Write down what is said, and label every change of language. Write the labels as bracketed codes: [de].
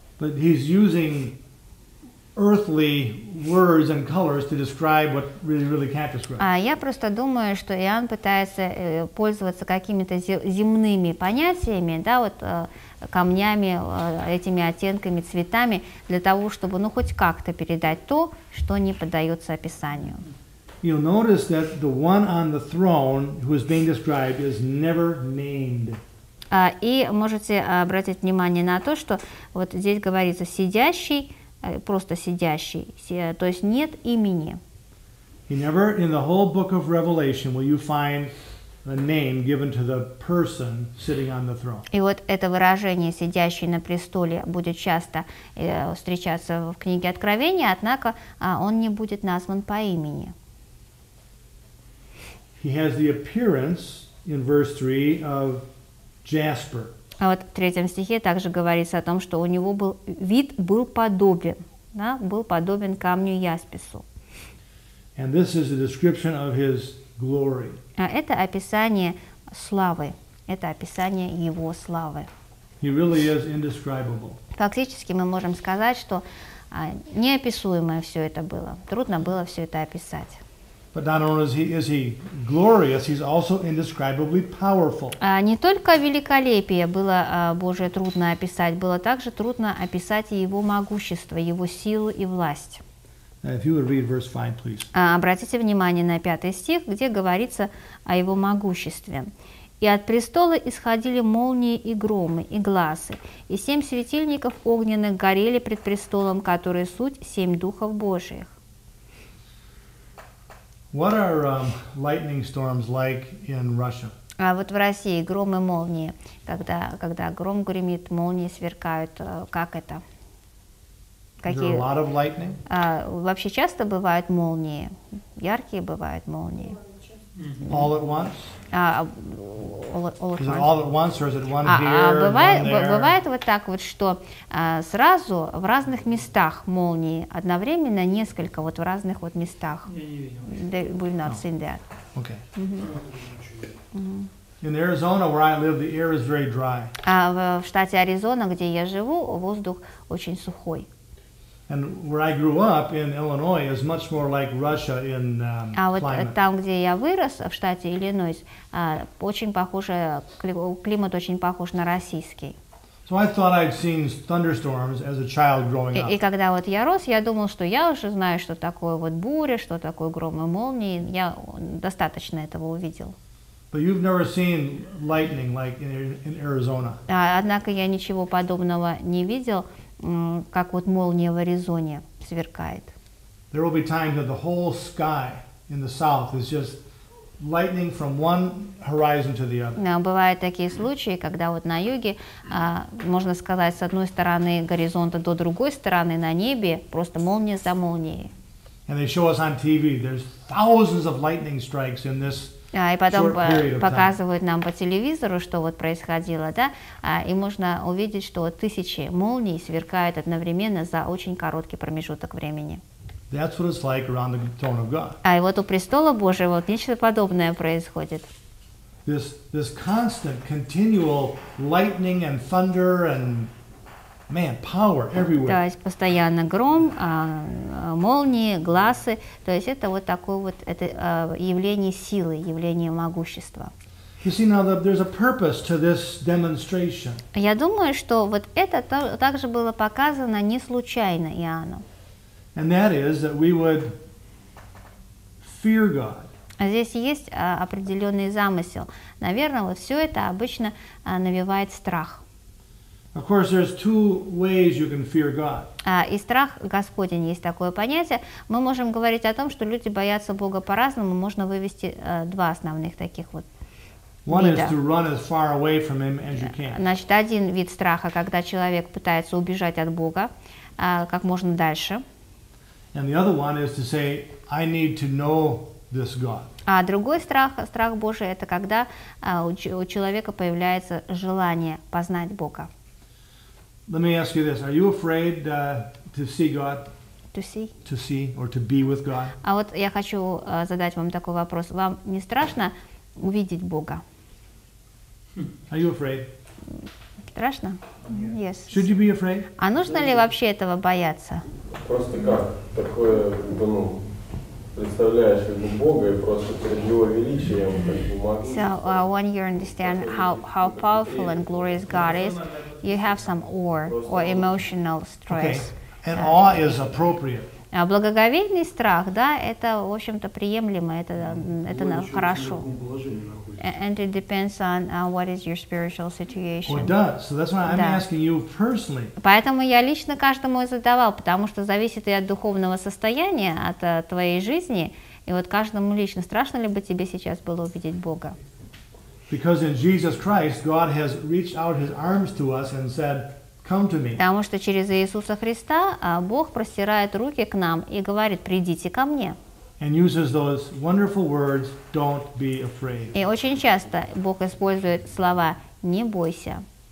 [en] But he's using earthly words and colors to describe what really, really can't describe. [ru] Я просто думаю, что Иоанн пытается пользоваться какими-то земными понятиями, да, вот камнями, этими оттенками, цветами, для того, чтобы, ну, хоть как-то передать то, что не поддается описанию. [en] You'll notice that the one on the throne who is being described is never named. [ru] И можете обратить внимание на то, что вот здесь говорится «сидящий», просто сидящий, то есть нет имени. [en] He never in the whole book of Revelation will you find a name given to the person sitting on the throne. [ru] И вот это выражение «сидящий на престоле» будет часто встречаться в книге Откровения, однако он не будет назван по имени. [en] He has the appearance in verse 3 of jasper. [ru] А вот в третьем стихе также говорится о том, что у него был вид был подобен, да, был подобен камню яспису. [en] And this is a description of his glory. [ru] А это описание славы, это описание его славы. [en] He really is indescribable. [ru] Фактически мы можем сказать, что неописуемое все это было, трудно было все это описать. [en] But not only is he glorious, he's also indescribably powerful. [ru] Не только великолепие было Божие трудно описать, было также трудно описать его могущество, его силу и власть. [en] If you would read verse 5, please. [ru] Обратите внимание на 5 стих, где говорится о его могуществе. «И от престола исходили молнии и громы, и гласы, и 7 светильников огненных горели пред престолом, которые суть 7 духов Божиих». [en] What are lightning storms like in Russia? [ru] А вот в России гром и молнии, когда гром гремит, молнии сверкают, как это? Какие? [en] There are a lot of lightning? [ru] Вообще часто бывают молнии, яркие бывают молнии. [en] Mm-hmm. All at once? All at once. Is it all at once or is it one here, one there? [ru] Бывает вот так вот, что сразу в разных местах молнии, одновременно несколько вот в разных вот местах. [en] We've not seen that. Okay. Mm-hmm. In Arizona, where I live, the air is very dry. [ru] В штате Аризона, где я живу, воздух очень сухой. [en] And where I grew up in Illinois is much more like Russia in [ru] А вот там, где я вырос, в штате Иллинойс, очень похоже, климат очень похож на российский. [en] So I thought I'd seen thunderstorms as a child growing up. [ru] И когда вот я рос, я думал, что я уже знаю, что такое вот буря, что такое гром и молнии. Я достаточно этого увидел. [en] But you've never seen lightning like in Arizona. [ru] Однако я ничего подобного не видел, как вот молния в Аризоне сверкает. [en] There will be times that the whole sky in the south is just lightning from one horizon to the other. [ru] Но бывают такие случаи, когда вот на юге, можно сказать, с одной стороны горизонта до другой стороны на небе просто молния за молнией. [en] And they show us on TV, there's thousands of lightning strikes in this [ru] И потом показывают нам по телевизору, что вот происходило, да, и можно увидеть, что тысячи молний сверкают одновременно за очень короткий промежуток времени. [en] That's what it's like around the throne of God. [ru] А вот у престола Божьего вот нечто подобное происходит. [en] This constant, continual lightning and thunder and man, power everywhere. [ru] То есть постоянно гром, молнии, гласы. То есть это вот такое вот это явление силы, явление могущества. [en] You see now that there's a purpose to this demonstration. [ru] Я думаю, что вот это также было показано не случайно Иоанну. [en] And that is that we would fear God. [ru] Здесь есть определенный замысел. Наверное, вот все это обычно навевает страх. [en] Of course, there's two ways you can fear God. [ru] И страх Господень есть такое понятие. Мы можем говорить о том, что люди боятся Бога по-разному. Можно вывести два основных таких вот [en] One [ru] вида. [en] Is to run as far away from Him as you can. [ru] Значит, один вид страха, когда человек пытается убежать от Бога как можно дальше. [en] And the other one is to say, I need to know this God. [ru] А другой страх Божий, это когда у человека появляется желание познать Бога. [en] Let me ask you this: Are you afraid to see God? To see. To see or to be with God? [ru] А вот я хочу задать вам такой вопрос: Вам не страшно увидеть Бога? [en] Are you afraid? [ru] Страшно? Yes. [en] Should you be afraid? [ru] А нужно ли вообще этого бояться? Просто как такое, ну, представляешь как бы Бога и просто перед Его величием как бы могу. [en] So when you understand how powerful and glorious God is, you have some awe or emotional stress. Okay. And awe is appropriate. [ru] А благоговейный страх, да, это в общем-то приемлемо, это хорошо. [en] And it depends on what is your spiritual situation. Well, it does. So that's why I'm asking you personally. [ru] Поэтому я лично каждому задавал, потому что зависит и от духовного состояния, от твоей жизни, и вот каждому лично страшно ли бы тебе сейчас было увидеть Бога? [en] Because in Jesus Christ, God has reached out His arms to us and said, "Come to me." [ru] Потому что через Иисуса Христа Бог простирает руки к нам и говорит: "Придите ко мне." [en] And uses those wonderful words, "Don't be afraid." [ru] И очень часто Бог использует слова "Не бойся."